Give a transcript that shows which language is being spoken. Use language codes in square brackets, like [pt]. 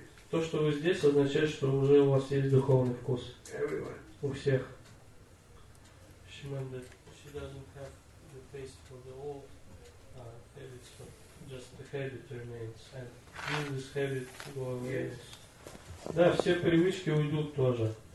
[ru] То, что вы здесь, означает, что уже у вас есть духовный вкус. У всех. [en] She doesn't have the taste for the old habits, but just the habit remains. And will this habit go away? Yes. [ru] Да, все привычки уйдут тоже.